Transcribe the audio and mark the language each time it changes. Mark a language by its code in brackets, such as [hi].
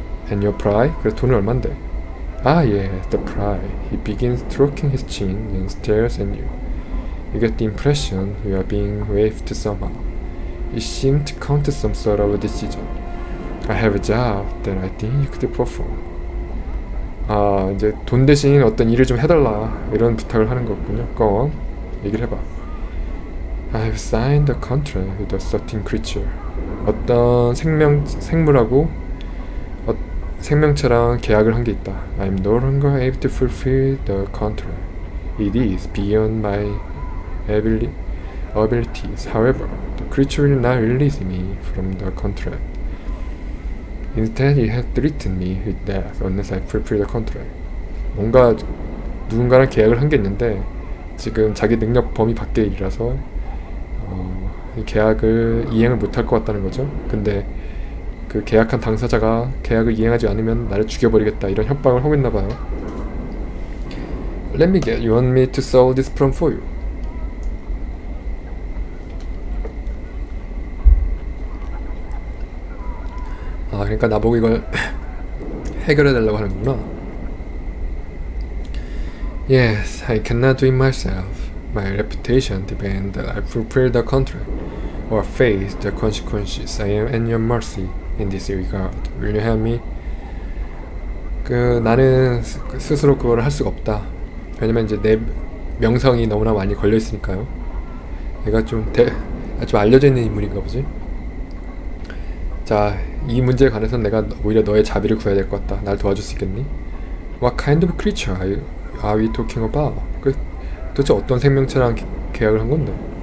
[en] And your pride? [ko] 그래서 돈은 얼만데? [en] Ah, yes, the pride. He begins stroking his chin and stares at you. You get the impression you are being waived somehow. You seem to come to some sort of a decision. I have a job that I think you could perform. [ko] 아, 이제 돈 대신 어떤 일을 좀 해달라 이런 부탁을 하는 거군요. [en] Go on, [ko] 얘기를 해봐. [en] I have signed a contract with a certain creature. [ko] 어떤 생물하고 생명체랑 계약을 한 게 있다. [en] I'm no longer able to fulfill the contract. It is beyond my abilities. However, the creature will not release me from the contract. Instead, it has threatened me with death unless I fulfill the contract. [ko] 뭔가 누군가랑 계약을 한 게 있는데 지금 자기 능력 범위 밖의 일이라서 이 계약을 이행을 못할 것 같다는 거죠. 근데 그 계약한 당사자가 계약을 이행하지 않으면 나를 죽여버리겠다 이런 협박을 하고 있나봐요. [en] Let me get. You want me to solve this problem for you? [ko] 아, 그러니까 나보고 이걸 해결해달라고 하는구나. [en] Yes, I cannot do it myself. My reputation depends that I fulfill the contract or face the consequences. I am at your mercy. In this regard, will you help me? [ko] 나는 스스로 그걸 할 수가 없다. 왜냐면 이제 내 명성이 너무나 많이 걸려 있으니까요. 얘가 좀 알려져 있는 인물인가 보지? 자, 이 문제에 관해서는 내가 오히려 너의 자비를 구해야 될 것 같다. 날 도와줄 수 있겠니? [en] What kind of creature are we talking about? [ko] 도대체 어떤 생명체랑 계약을 한 건데?